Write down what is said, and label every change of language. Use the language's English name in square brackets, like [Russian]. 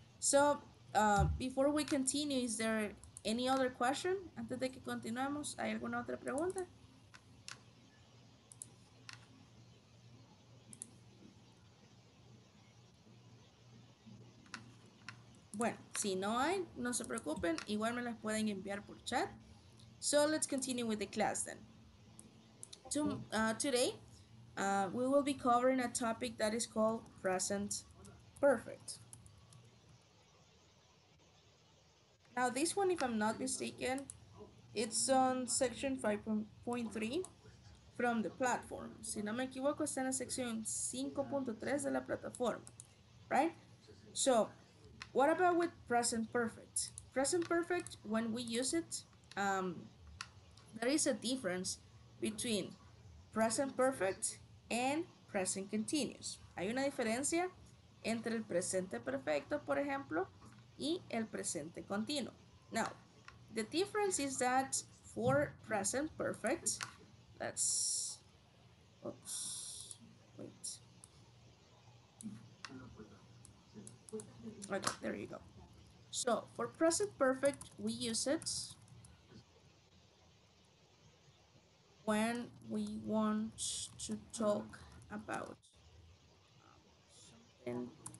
[English] So, before we continue, is there any other question? [Spanish] Antes de que continuemos, ¿hay alguna otra pregunta? Bueno, si no hay, no se preocupen, igual me las pueden enviar por chat. [English] So let's continue with the class then. Today, we will be covering a topic that is called present perfect. Now this one, if I'm not mistaken, it's on section 5.3 from the platform. [Spanish] Si no me equivoco, está en la sección 5.3 de la plataforma, [English] right? So, what about with present perfect? Present perfect, when we use it, there is a difference between present perfect and present continuous. [Spanish] Hay una diferencia entre el presente perfecto, por ejemplo, y el presente continuo. [English] Now, the difference is that for present perfect, So, for present perfect, we use it when we want to talk about something.